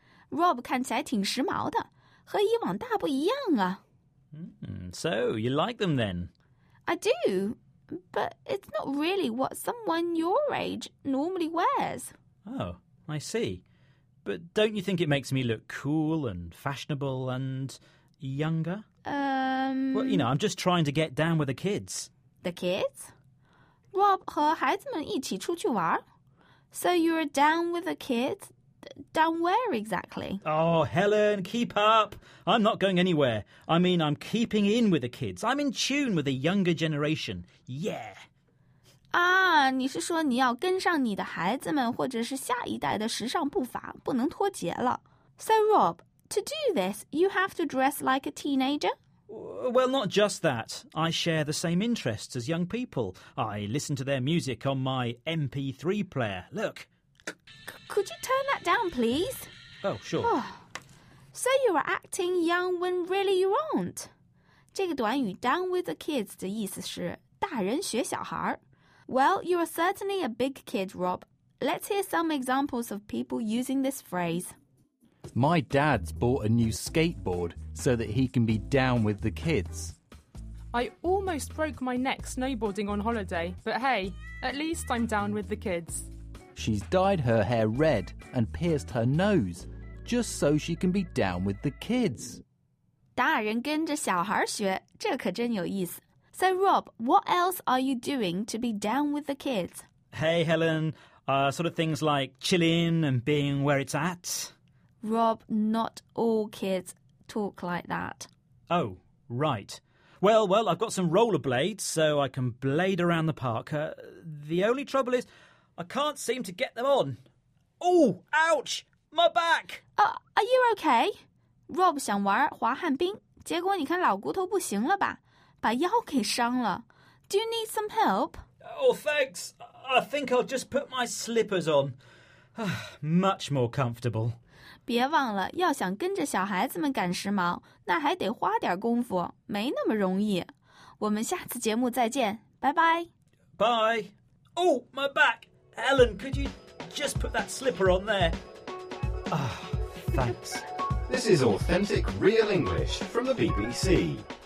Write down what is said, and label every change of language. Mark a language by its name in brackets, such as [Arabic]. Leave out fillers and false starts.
[Chinese] Rob 看起来挺时髦的，和以往大不一样啊。 [English] So, you like them then? I do, but it's not really what someone your age normally wears. Oh, I see. But don't you think it makes me look cool and fashionable and younger? Well, you know, I'm just trying to get down with the kids. The kids? [Chinese] Rob 和孩子们一起出去玩。 [English] So you're down with the kids? Down where exactly? Oh, Helen, keep up. I'm not going anywhere. I mean, I'm keeping in with the kids. I'm in tune with the younger generation. Yeah. [Chinese] 你是说你要跟上你的孩子们或者是下一代的时尚步伐，不能脱节了。 [English] So Rob, to do this, you have to dress like a teenager? Well, not just that. I share the same interests as young people. I listen to their music on my MP3 player. Look. Could you turn that down, please? Oh, sure. Oh. So you are acting young when really you aren't. [Chinese] 这个短语 down with the kids 的意思是大人学小孩。 [English] Well, you are certainly a big kid, Rob. Let's hear some examples of people using this phrase. My dad's bought a new skateboard so that he can be down with the kids. I almost broke my neck snowboarding on holiday, but hey, at least I'm down with the kids. She's dyed her hair red and pierced her nose just so she can be down with the kids. [Chinese] 大人跟着小孩学，这可真有意思。 [English] So, Rob, what else are you doing to be down with the kids? Hey, Helen, sort of things like chilling and being where it's at. Rob, not all kids talk like that. Oh, right. Well, I've got some rollerblades so I can blade around the park. The only trouble is I can't seem to get them on. Oh, ouch, my back! Are you okay? [Chinese] Rob 想玩滑旱冰，结果你看老骨头不行了吧？把腰给伤了。 [English] Do you need some help? Oh, thanks. I think I'll just put my slippers on. Much more comfortable. [Chinese] 别忘了，要想跟着小孩子们赶时髦，那还得花点功夫，没那么容易。我们下次节目再见，拜拜。 [English] Bye. Oh, my back. Helen, could you just put that slipper on there? Ah, thanks. This is Authentic Real English from the BBC.